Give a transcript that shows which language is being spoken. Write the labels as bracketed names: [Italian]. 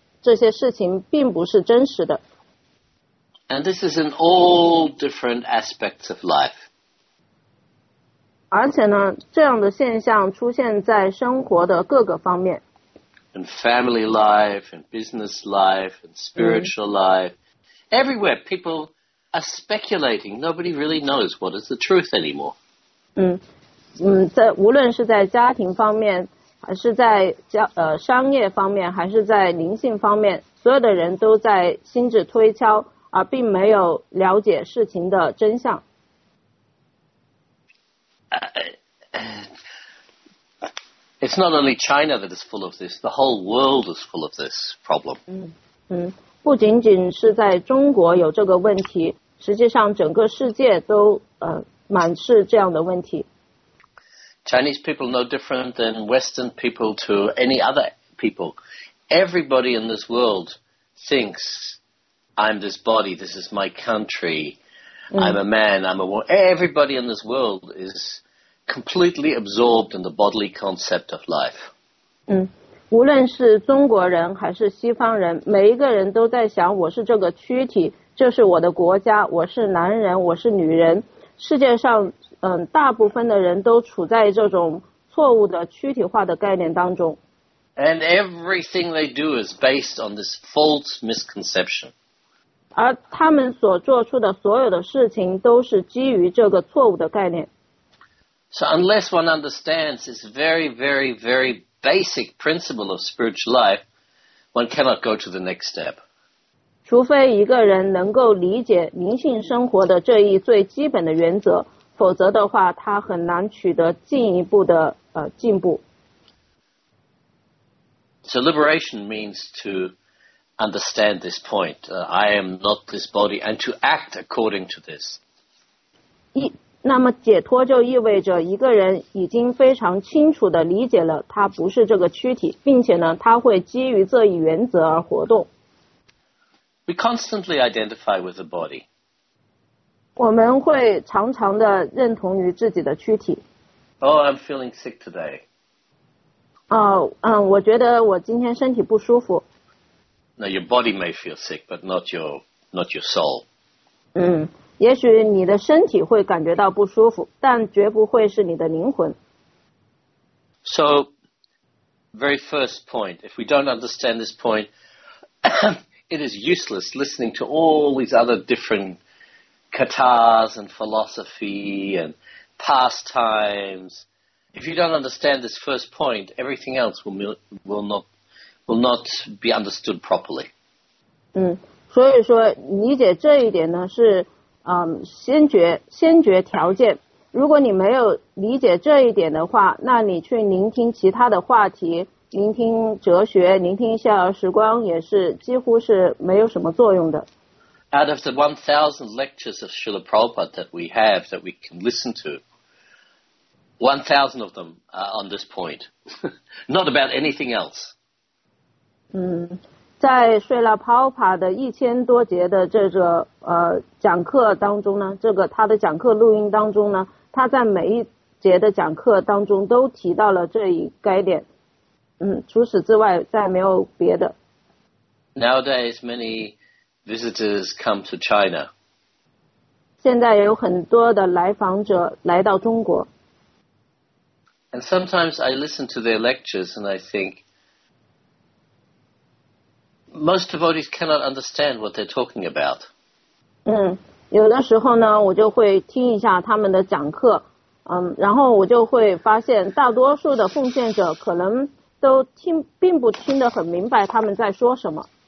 [English] And this is in all different aspects of life. [Chinese] 而且呢，这样的现象出现在生活的各个方面。 [English] In family life, in business life, in spiritual life. Everywhere people are speculating. Nobody really knows what is the truth anymore. [Chinese] 无论是在家庭方面。还是在商业方面，还是在灵性方面，所有的人都在心智推敲，而并没有了解事情的真相。 [English] It's not only China that is full of this, the whole world is full of this problem. [Chinese] 不仅仅是在中国有这个问题，实际上整个世界都满是这样的问题。 [English] Chinese people no different than Western people to any other people. Everybody in this world thinks I'm this body, this is my country, I'm a man, I'm a woman. Everybody in this world is completely absorbed in the bodily concept of life. [Chinese] 无论是中国人还是西方人，每一个人都在想我是这个躯体，这是我的国家，我是男人，我是女人。世界上大部分的人都处在这种错误的躯体化的概念当中。 [English] And everything they do is based on this false misconception. [Chinese] 而他们所做出的所有的事情都是基于这个错误的概念。 [English] So unless one understands this very, very, very basic principle of spiritual life, one cannot go to the next step. [Chinese] 除非一个人能够理解灵性生活的这一最基本的原则，否则的话，他很难取得进一步的进步。 [English] So liberation means to understand this point. I am not this body, and to act according to this. [Chinese] 那么解脱就意味着一个人已经非常清楚地理解了他不是这个躯体，并且呢，他会基于这一原则而活动。 [English] We constantly identify with the body. [Chinese] 我们会常常地认同于自己的躯体。 [English] Oh, I'm feeling sick today. [Chinese] 我觉得我今天身体不舒服。 [English] Now your body may feel sick, but not your soul. [Chinese] 也许你的身体会感觉到不舒服，但绝不会是你的灵魂。 [English] So, very first point, if we don't understand this point, it is useless listening to all these other different katas and philosophy and pastimes. If you don't understand this first point, everything else will not be understood properly. [Chinese] 所以说理解这一点呢是先决条件。如果你没有理解这一点的话，那你去聆听其他的话题，聆听哲学，聆听一下时光，也是几乎是没有什么作用的。 [English] Out of the 1,000 lectures of Srila Prabhupada that we have, that we can listen to, 1,000 of them are on this point, not about anything else. [Chinese] 在 Srila Prabhupada 的1000多节的这个讲课当中呢，这个他的讲课录音当中呢，他在每一节的讲课当中都提到了这一概念。除此之外再没有别的。 [English] Nowadays, many visitors come to China. [Chinese] 现在有很多的来访者来到中国。 [English] And sometimes I listen to their lectures and I think, most devotees cannot understand what they're talking about. [Chinese] 有的时候呢，我就会听一下他们的讲课，然后我就会发现大多数的奉献者可能都并不听得很明白他们在说什么。